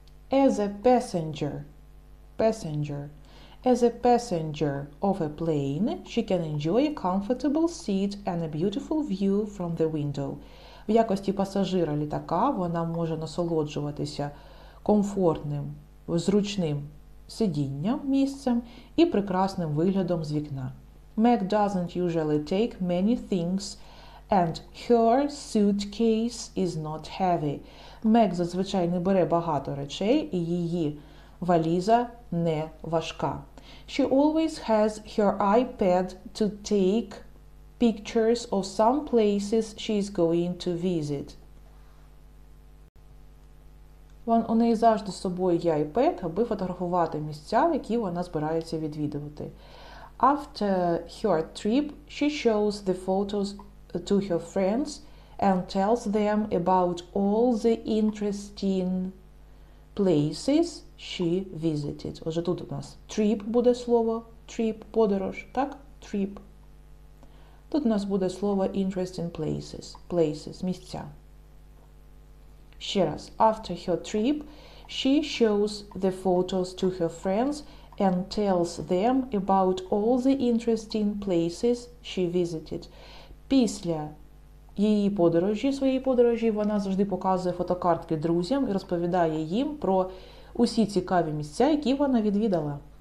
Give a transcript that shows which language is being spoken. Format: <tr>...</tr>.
<en>As a passenger, passenger, as a passenger of a plane, she can enjoy a comfortable seat and a beautiful view from the window.</en> <uk>В якості пасажира літака вона може насолоджуватися комфортним, зручним сидінням, місцем і прекрасним виглядом з вікна.</uk> <en>Meg doesn't usually take many things and her suitcase is not heavy.</en> <uk>Мег зазвичай не бере багато речей, і її валіза не важка.</uk> <en>She always has her iPad to take pictures of some places she's going to visit.</en> <uk>У неї завжди з собою є iPad, аби фотографувати місця, які вона збирається відвідувати.</uk> <en>After her trip, she shows the photos to her friends and tells them about all the interesting places she visited.</en> <uk>Отже, тут у нас trip буде слово. Trip – подорож, так? Trip. Тут у нас буде слово</uk> <en>interesting places.</en> <uk>Places – місця. Ще раз.</uk> <en>After her trip, she shows the photos to her friends and tells them about all the interesting places she visited.</en> <uk>Після її подорожі, своєї подорожі, вона завжди показує фотокартки друзям і розповідає їм про усі цікаві місця, які вона відвідала.</uk>